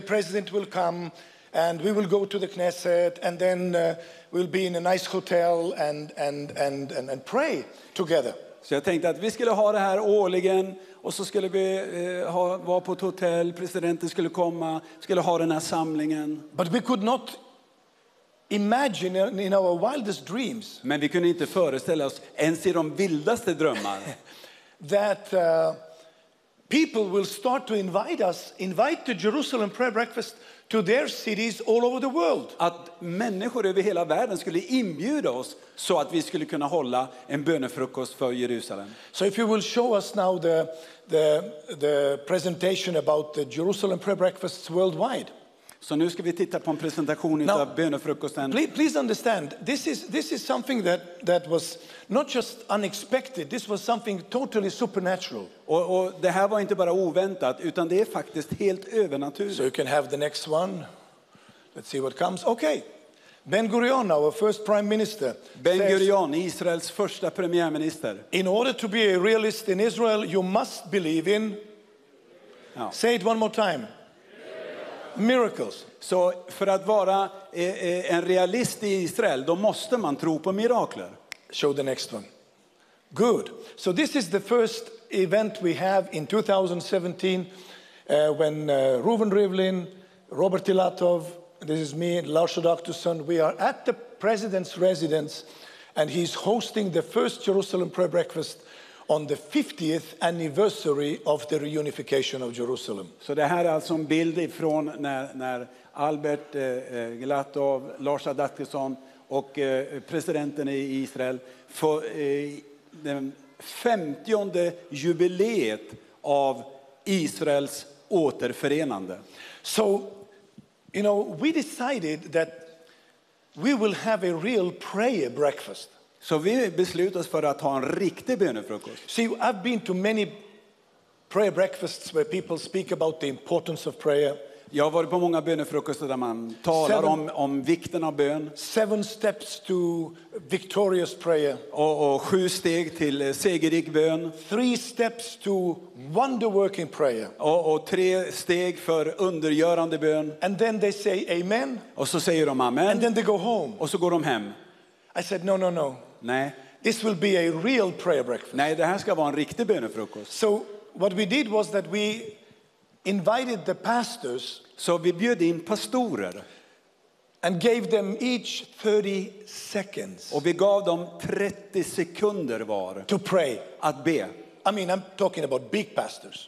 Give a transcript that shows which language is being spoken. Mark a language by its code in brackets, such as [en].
[en] President will come. And we will go to the Knesset, and then we'll be in a nice hotel and pray together. [sv] Så jag tänkte att vi skulle ha det här årligen, och så skulle vi vara på ett hotell. Presidenten skulle komma, skulle ha den här samlingen. [en] But we could not imagine in our wildest dreams. [sv] Men vi kunde inte föreställa oss ens i de vildaste drömmar [en] that people will start to invite the Jerusalem prayer breakfast to their cities all over the world. [sv] Att människor över hela världen skulle inbjuda oss så att vi skulle kunna hålla en bönefrukost för Jerusalem. [en] So if you will show us now the presentation about the Jerusalem prayer breakfasts worldwide. [sv] Så nu ska vi titta på en presentation utav bönefrukosten. [en] Please understand, this is something that was not just unexpected, this was something totally supernatural. [sv] Och det här var inte bara oväntat, utan det är faktiskt helt övernaturligt. [en] So you can have the next one. Let's see what comes. Okay. Ben-Gurion, our first prime minister. [sv] Ben-Gurion, Israels första premiärminister. [en] In order to be a realist in Israel, you must believe in... Ja. Say it one more time. Miracles. [sv] Så för att vara en realist i Israel, då måste man tro på mirakler. [en] Show the next one. Good. So this is the first event we have in 2017 when Reuven Rivlin, Robert Ilatov, this is me, Lars Doctorson, we are at the president's residence and he's hosting the first Jerusalem prayer breakfast on the 50th anniversary of the reunification of Jerusalem. [sv] Så det här är alltså en bild ifrån när Albert Glatov, Lars Adaktusson och presidenten i Israel för den 50:e jubileet av Israels återförenande. [en] So, you know, we decided that we will have a real prayer breakfast. [sv] Så vi beslutade oss för att ha en riktig bönefrukost. [en] See, I've been to many prayer breakfasts where people speak about the importance of prayer. [sv] Jag har varit på många bönefrukoster där man talar om vikten av bön. [en] Seven steps to victorious prayer. [sv] Och sju steg till segerrik bön. [en] Three steps to wonder-working prayer. [sv] Och tre steg för undergörande bön. [en] And then they say amen. [sv] Och så säger de amen. [en] And then they go home. [sv] Och så går de hem. [en] I said no. [sv] Nej. [en] This will be a real prayer breakfast. [sv] Nej, det här ska vara en riktig bönefrukost. [en] So what we did was that we invited the pastors. [sv] Så vi bjöd in pastorer. [en] And gave them each 30 seconds. [sv] Och vi gav dem 30 sekunder var. [en] To pray. [sv] Att be. [en] I mean, I'm talking about big pastors.